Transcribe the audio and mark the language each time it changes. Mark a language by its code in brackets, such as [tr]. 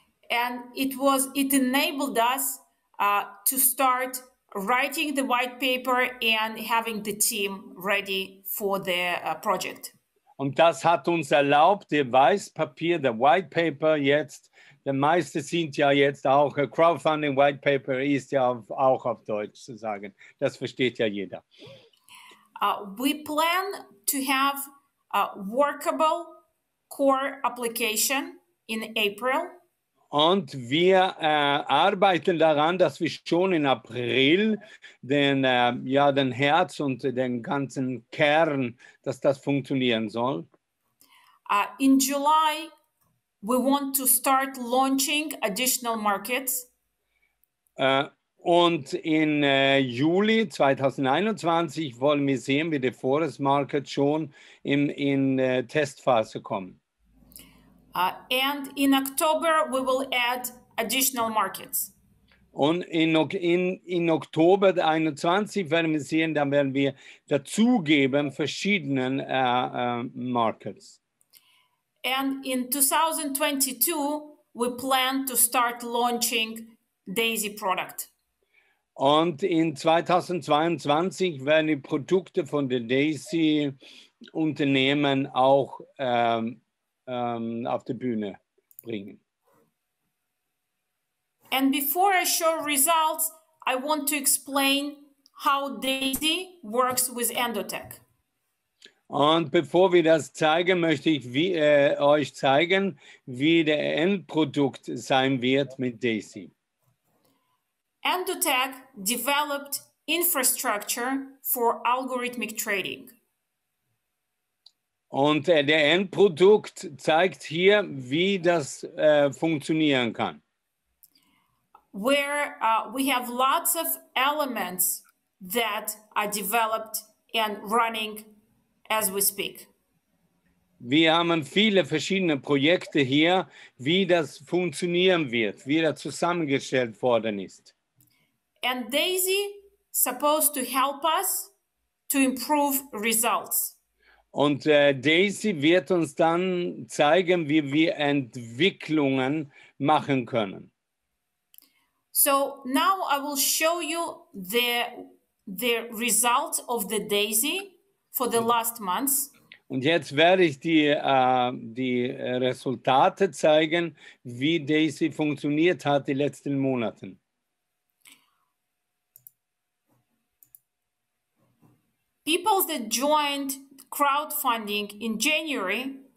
[en] And it enabled us to start writing the white paper and having the team ready for the project. [de] Und das hat uns erlaubt, der Weißpapier, der White Paper jetzt, der meiste sind ja jetzt auch, Crowdfunding White Paper ist ja auch auf Deutsch zu sagen. Das versteht ja jeder. [en] We plan to have a workable core application in April. [de] Und wir arbeiten daran, dass wir schon in April den Herz und den ganzen Kern, dass das funktionieren soll. [en] In July, we want to start launching additional markets. [de] Und in Juli 2021 wollen wir sehen, wie die Forest Market schon in Testphase kommen. [en] And in October, we will add additional markets. [de] Und in Oktober 21 werden wir sehen, dann werden wir dazugeben verschiedenen markets. [en] And in 2022, we plan to start launching Daisy product. [de] Und in 2022 werden die Produkte von den Daisy Unternehmen auch auf die Bühne bringen. [en] And before I show results, I want to explain how Daisy works with ENDOTECH. [de] Und bevor wir das zeigen, möchte ich euch zeigen, wie der Endprodukt sein wird mit Daisy. [en] ENDOTECH developed infrastructure for algorithmic trading. [de] Und der Endprodukt zeigt hier, wie das funktionieren kann. [en] Where we have lots of elements that are developed and running as we speak. [de] Wir haben viele verschiedene Projekte hier, wie das funktionieren wird, wie das zusammengestellt worden ist. [en] And Daisy supposed to help us to improve results. [de] Und Daisy wird uns dann zeigen, wie wir Entwicklungen machen können. [en] So now I will show you the results of the Daisy for the last months. [de] Und jetzt werde ich die die Resultate zeigen, wie Daisy funktioniert hat die letzten Monate. [en] People that joined crowdfunding in January.